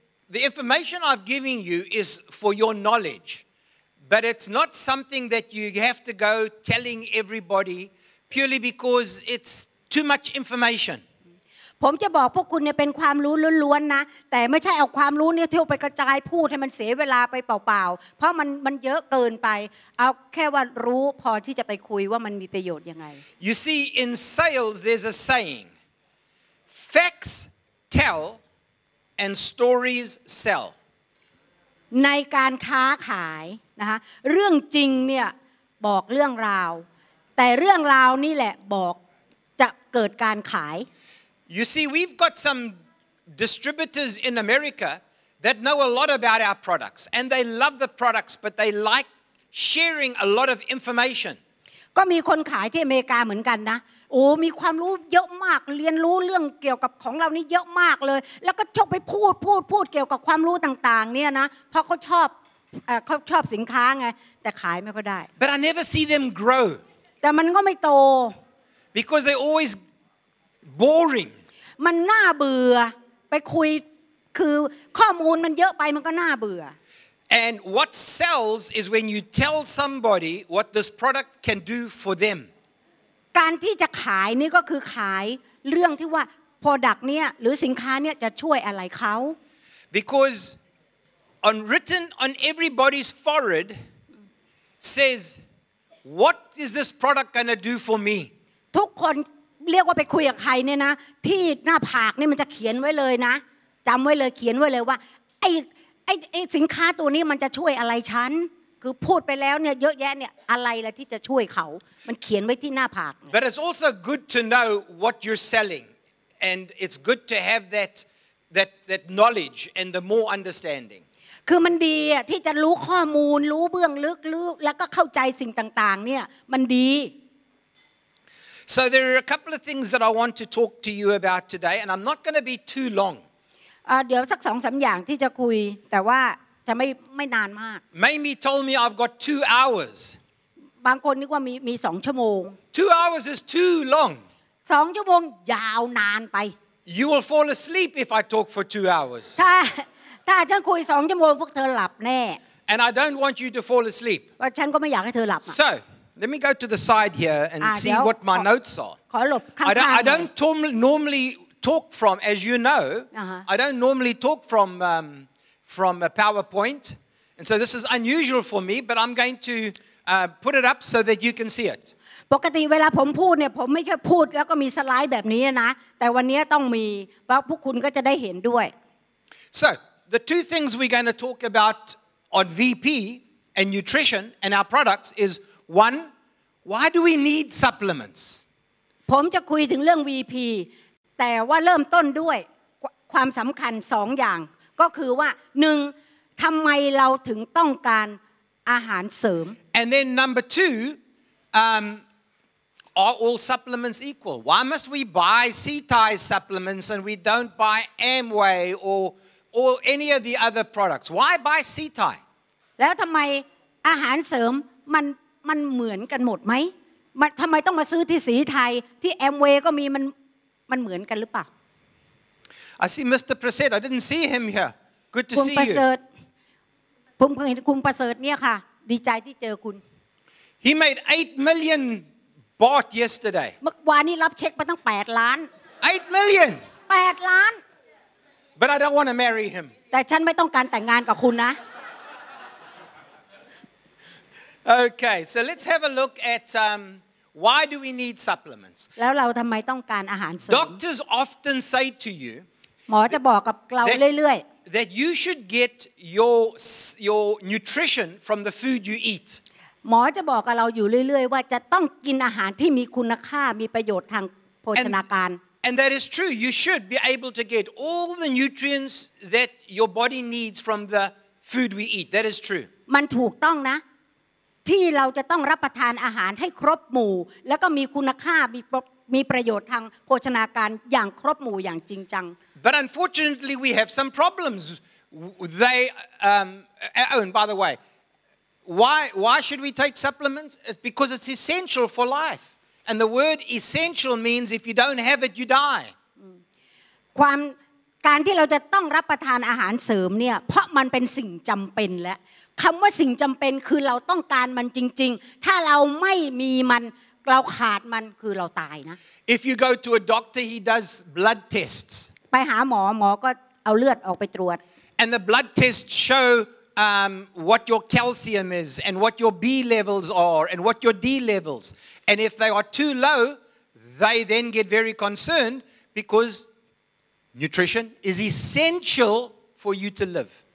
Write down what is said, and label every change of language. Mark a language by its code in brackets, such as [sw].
[en] the information I've given you is for your knowledge, but it's not something that you have to go telling everybody purely because it's too much information. [th] ผมจะบอกพวกคุณเนี่ยเป็นความรู้ล้วนๆนะแต่ไม่ใช่เอาความรู้เนี่ยเที่ยวไปกระจายพูดให้มันเสียเวลาไปเปล่าๆเพราะมันเยอะเกินไปเอาแค่ว่ารู้พอที่จะไปคุยว่ามันมีประโยชน์ยังไง [en] You see in sales there's a saying facts tell and stories sell [th] ในการค้าขายนะคะเรื่องจริงเนี่ยบอกเรื่องราวแต่เรื่องราวนี่แหละบอกจะเกิดการขาย [en] You see, we've got some distributors in America that know a lot about our products, and they love the products, but they like sharing a lot of information. [th] ก็มีคนขายที่อเมริกาเหมือนกันนะโอ้มีความรู้เยอะมากเรียนรู้เรื่องเกี่ยวกับของเรานี่เยอะมากเลยแล้วก็ชอบไปพูดเกี่ยวกับความรู้ต่างๆเนี่ยนะเพราะเขาชอบสินค้าไงแต่ขายไม่ค่อยได้ [en] But I never see them grow. [th] แต่มันก็ไม่โต [en] Because they always. Boring. [th] มันน่าเบื่อไปคุยคือข้อมูลมันเยอะไปมันก็น่าเบื่อ [en] And what sells is when you tell somebody what this product can do for them. [th] การที่จะขายนี่ก็คือขายเรื่องที่ว่า product เนี่ยหรือสินค้าเนี่ยจะช่วยอะไรเขา [en] Because on written on everybody's forehead says what is this product going to do for me? [th] ทุกคนเรียกว่าไปคุยกับใครเนี่ยนะที่หน้าผากนี่มันจะเขียนไว้เลยนะจําไว้เลยเขียนไว้เลยว่าไอ้สินค้าตัวนี้มันจะช่วยอะไรฉันคือพูดไปแล้วเนี่ยเยอะแยะเนี่ยอะไรล่ะที่จะช่วยเขามันเขียนไว้ที่หน้าผาก [en] But it's also good to know what you're selling and it's good to have that knowledge and the more understanding [th] คือมันดีอ่ะที่จะรู้ข้อมูลรู้เบื้องลึกแล้วก็เข้าใจสิ่งต่างๆเนี่ยมันดี [en] So there are a couple of things that I want to talk to you about today, and I'm not going to be too long. [th] เดี๋ยวสักสองสามอย่างที่จะคุยแต่ว่าจะไม่นานมาก [en] Mamie told me I've got 2 hours. [th] บางคนนึกว่ามี2 ชั่วโมง [en] 2 hours is too long. [th] 2 ชั่วโมงยาวนานไป [en] You will fall asleep if I talk for 2 hours. [th] ถ้าฉันคุย2 ชั่วโมงพวกเธอหลับแน่ [en] And I don't want you to fall asleep. [th] ว่าฉันก็ไม่อยากให้เธอหลับ [en] So. Let me go to the side here and see what my notes are. I don't normally talk from, as you know, I don't normally talk from a PowerPoint. And so this is unusual for me, but I'm going to put it up so that you can see it. [th] ปกติเวลาผมพูดเนี่ยผมไม่ค่อยพูดแล้วก็มีสไลด์แบบนี้นะแต่วันนี้ต้องมีเพราะพวกคุณก็จะได้เห็นด้วย [en] So the 2 things we're going to talk about on VP and nutrition and our products is. One, why do we need supplements? [th] ผมจะคุยถึงเรื่อง VP แต่ว่าเริ่มต้นด้วยความสำคัญ2 อย่างก็คือว่า1ทำไมเราถึงต้องการอาหารเสริม [en] And then number 2 are all supplements equal? Why must we buy Srithai supplements and we don't buy Amway or any of the other products? Why buy Srithai? [th] แล้วทำไมอาหารเสริมมันเหมือนกันหมดไหมทำไมต้องมาซื้อที่ศรีไทยที่แอมเวย์ก็มีมันเหมือนกันหรือเปล่า [en] I see Mr. Prasad I didn't see him here good to see you [th] คุณประเสริฐผมเพิ่งเห็นคุณประเสริฐเนี่ยค่ะดีใจที่เจอคุณ [en] He made 8 million baht yesterday [th] เมื่อวานนี้รับเช็คมาตั้ง8ล้าน [en] 8 million [th] 8ล้าน [en] But I don't want to marry him [th] แต่ฉันไม่ต้องการแต่งงานกับคุณนะ [en] Okay, so let's have a look at why do we need supplements. [th] แล้วเราทำไมต้องการอาหารเสริม [en] Doctors often say to you. [th] หมอจะบอกกับเราเรื่อย [en] ๆ That you should get your nutrition from the food you eat. [th] หมอจะบอกกับเราอยู่เรื่อยๆว่าจะต้องกินอาหารที่มีคุณค่ามีประโยชน์ทางโภชนาการ [en] And that is true. You should be able to get all the nutrients that your body needs from the food we eat. That is true. [th] มันถูกต้องนะที่เราจะต้องรับประทานอาหารให้ครบหมู่แล้วก็มีคุณค่ามีประโยชน์ทางโภชนาการอย่างครบหมู่อย่างจริงจัง [en] But unfortunately we have some problems they and by the way why should we take supplements it's because it's essential for life and the word essential means if you don't have it you die [th] ความ การที่เราจะต้องรับประทานอาหารเสริมเนี่ยเพราะมันเป็นสิ่งจำเป็นและคำว่าสิ่งจำเป็นคือเราต้องการมันจริงๆถ้าเราไม่มีมันเราขาดมันคือเราตายนะ [en] If you go to a doctor he does blood tests [th] ไปหาหมอหมอก็เอาเลือดออกไปตรวจ [en] And the blood tests showwhat your calcium is and what your B levels are and what your D levels and if they are too low they then get very concerned because nutrition is essential for you to live